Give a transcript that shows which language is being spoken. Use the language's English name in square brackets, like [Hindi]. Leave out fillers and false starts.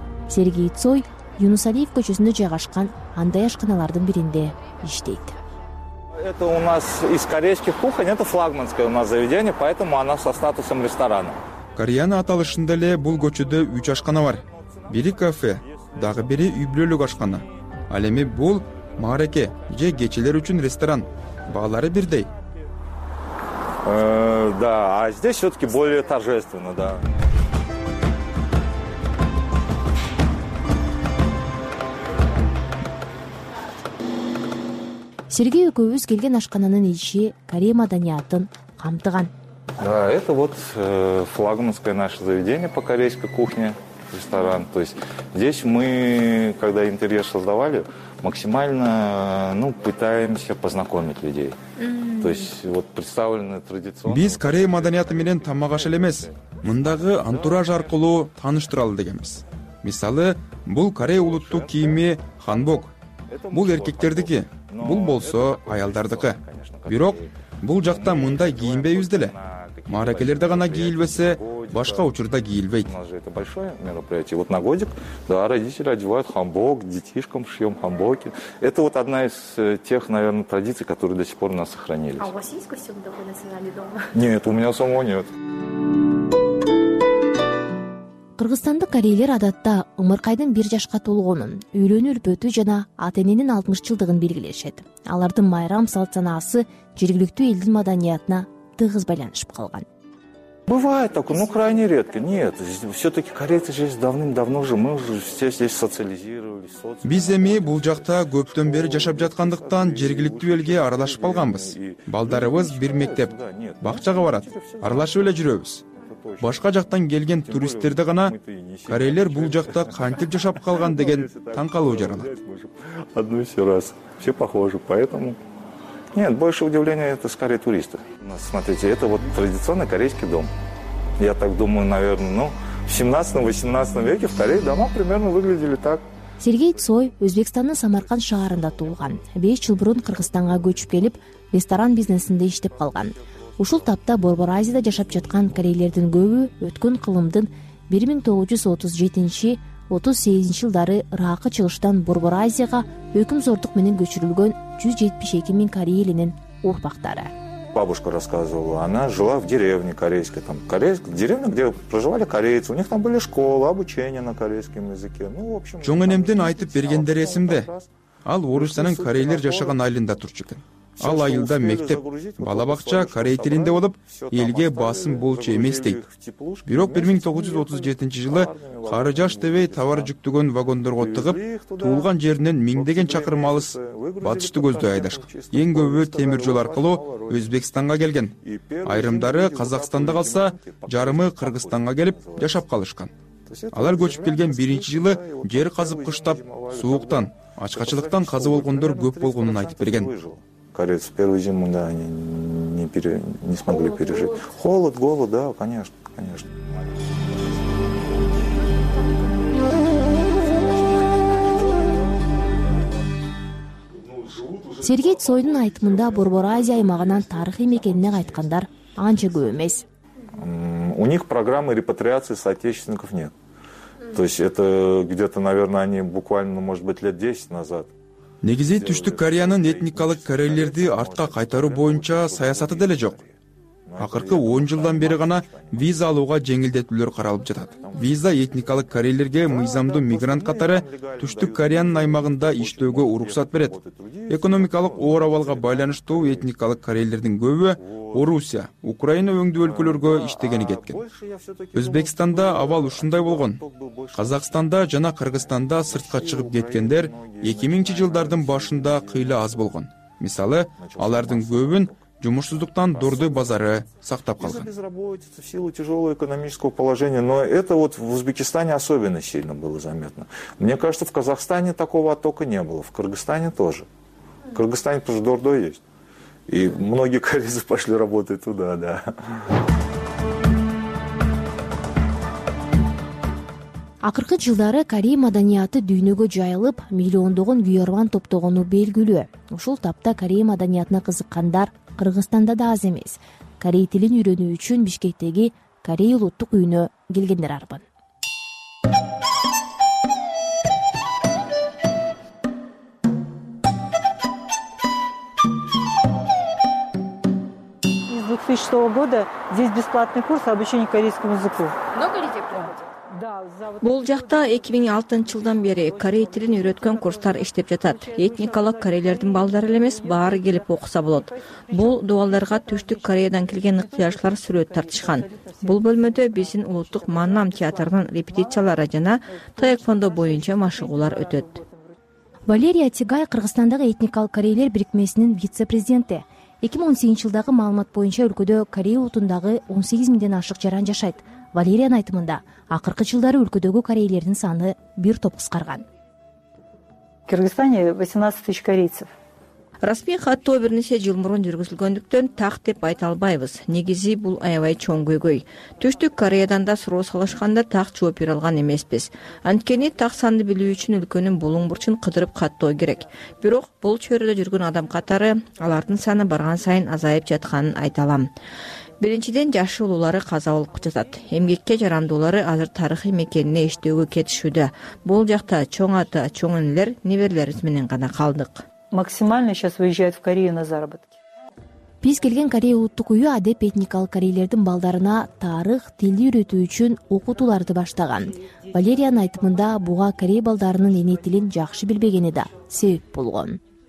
[Kyrgyz] Сергей Цой, Юнус Алиев көчөсүндө жайгашкан, андай ашканалардын биринде иштейт. [Russian] Это у нас из корейских кухонь, это флагманское у нас заведение, поэтому она со статусом ресторана. [Kyrgyz] Кореяны аталышында эле бул көчөдө 3 ашкана бар. Бири кафе, дагы бири үй-бүлөлүк ашкана. Ал эми бул маареке же кечелер үчүн ресторан. Баалары бирдей. [Russian] Да, а здесь все-таки более торжественно, да. [Kyrgyz] Сергей Куевский, келген ашкананын ичи корей маданиятын камтыган. [Russian] Да, это вот флагманское наше заведение по корейской кухне, ресторан. То есть здесь мы, когда интерьер создавали, максимально, ну, пытаемся познакомить людей. То есть вот представлены традиционные. [Kyrgyz] Биз корей маданияты менен тамак аш элемес. Мындагы антураж аркылуу тааныштыралы дегенбиз. Мисалы, бул корей улуттук кийими ханбок. Бул эркектердики. Бул болсо аялдардыкы. Бирок бул жакта мындай кийинбейбиз деле. Маракелерде гана кийилбесе, башка учурда кийилбейт. [Russian] Это большое мероприятие. Вот на годик, да, родители одевают ханбок, детишкам шьем ханбоки. Это вот одна из тех, наверное, традиций, которые до сих пор у нас сохранились. А у вас есть костюм такой национальный дома? Нет, у меня самого нет. [Kyrgyz] Кыргызстандык корейлер адатта ымыркайдын 1 жашка толгонун, үйлөнүү-үлпөтүү жана ата-эненин 60 жылдыгын белгилешет. Алардын майрам салт-санаасы жергиликтүү элдин маданиятына тыгыз байланышып калган. [Russian] Бывает такое, ну, крайне редко. Нет, все-таки корейцы здесь давным-давно уже, мы уже все здесь социализировались. [Kyrgyz] Биз эми бул жакта көптөн бери жашап жаткандыктан жергиликтүү элге аралашып алганбыз. Балдарыбыз бир мектеп, бакчага барат, аралашып эле жүрөбүз. Башка жактан келген туристтерде гана корейлер бул жакта кантип жашап калган деген таң калуу жаралат. [Russian] Одно и все раз, все похожи, поэтому... Нет, больше удивления это скорее туристы. Смотрите, это вот традиционный корейский дом. я так думаю, наверное, ну, в 17-18 веке вторые дома примерно выглядели так. [Kyrgyz] Сергей Цой Өзбекстанның Самарқан шаһарында туылған. 5 жыл бұрын Қырғызстанға көшіп келіп, ресторан бизнесінде іштеп қалған. Ушул тапта Борбор Азияда жашап жатқан корейлердің көбі өткен қылымдың 1937-38 жылдары Рақы Чығыштан Борбор Азияға өкім зордық менен көшірілген 172 000 корейлінің ұрпақтары. [Russian] Бабушка рассказывала, она жила в деревне корейской, там корейская деревня, где проживали корейцы, у них там были школы, обучение на корейском языке. Ну, в общем, [Kyrgyz] чоң энемдин айтып бергендер эсимде. Ал Орусиянын корейлер жашаган айылында турчу. Ал айылда мектеп, балабакча корей тилинде болуп, элге басым болчу эмес дейт. Бирок 1937 жылы кары жаш дебей товар жүктөгөн вагондорго тыгып, туулган жеринен миңдеген чакырым алыс батышты көздөй айдашкан. Эң көбү темир жол аркылуу Өзбекстанга келген. Айрымдары Казакстанда калса, жарымы Кыргызстанга келип жашап калышкан. Алар көчүп келген биринчи жылы жер казып кыштап, сууктан, ачкачылыктан казы болгондор көп болгонун айтып берген. [Russian] Корейцы первую зиму, да, они не смогли пережить. Холод, голод, да, конечно. [Kyrgyz] Сергей Цойдун айтымында Борбор Азия аймагынан тарыхый мекенине кайткандар анча көп эмес. [Russian] У них программы репатриации соотечественников нет. То есть это где-то, наверное, они буквально, может быть, лет 10 назад. [Kyrgyz] Негизи Түштүк Кореянын этникалык корейлерди артка кайтаруу боюнча саясаты деле жок. Акыркы 10 жылдан бери гана виза алууга жеңилдетүүлөр каралып жатат. Виза этникалык корейлерге мыйзамдуу мигрант катары Түштүк Кореянын аймагында иштөөгө уруксат берет. Экономикалык оор абалга байланыштуу этникалык корейлердин көбү Орусия, Украина өңдүү өлкөлөргө иштегени кеткен. Өзбекстанда абал ушундай болгон. Казакстанда жана Кыргызстанда сыртка чыгып кеткендер 2000-чи жылдардын башында кыйла аз болгон. Мисалы, алардын көбүн жумушсуздуктан дордой базары сактап калган. [Russian] В силу тяжелого экономического положения, но это вот в Узбекистане особенно сильно было заметно. Мне кажется, в Казахстане такого оттока не было, в Кыргызстане тоже. В Кыргызстане тоже дордой есть. И многие корейцы пошли работать туда, да. [Kyrgyz] Акыркы жылдары корей маданияты дүйнөгө жайылып, миллиондогон виорван топтогону белгилүү. Ушул тапта корей маданиятына кызыккандар Кыргызстанда да аз эмес. Корей тилин үйрөнүү үчүн Бишкектеги Корей улуттук үйүнө келгендер арбын. [Russian] С 2006 года здесь бесплатный курс обучения корейскому языку. Много людей приходит? [Kyrgyz] Бул жакта 2006 жылдан бери корей тилин үйрөткөн курстар иштеп жатат. Этникалык корейлердин балдары эле эмес, баары келип окуса болот. Бул дубалдарга Түштүк Кореядан келген ыктыярчылар сүрөт тартышкан. Бул бөлмөдө биздин улуттук Маннам театрынын репетициялары жана таэквондо боюнча машыгуулар өтөт. Валерия Тигай Кыргызстандагы этникалык корейлер бирикмесинин вице-президенти. 2018 жылдагы маалымат боюнча өлкөдө корей улутундагы 18 миңден ашык жаран жашайт. Валериянын айтымында акыркы жылдары өлкөдөгү корейлердин саны бир топ кыскарган. [Russian] В Кыргызстане 18 тысяч корейцев. [Kyrgyz] Расмий каттоо бир нече жыл мурун жүргүзүлгөндүктөн так деп айта албайбыз. Негизи бул аябай чоң көйгөй. Түштүк Кореядан да суроо салышканда так жооп бере алган эмеспиз. Анткени так санды билүү үчүн өлкөнүн булуң бурчун кыдырып каттоо керек. Бирок бул чөйрөдө жүргөн адам катары алардын саны барган сайын азайып жатканын айта алам. Биринчиден жашы улуулары каза болуп жатат. Эмгекке жарандуулары азыр тарыхый мекенине иштөөгө кетишүүдө. Бул жакта чоң ата, чоң энелер, неберелерибиз менен гана калдык. [Russian] Максимально сейчас выезжают в Корею на заработки. [Kyrgyz] Биз келген Корей улуттук үйү адеп этникалык корейлердин балдарына тарых, тилди үйрөтүү үчүн окутууларды баштаган. Валериянын айтымында буга корей балдарынын эне тилин жакшы билбегени да себеп болгон.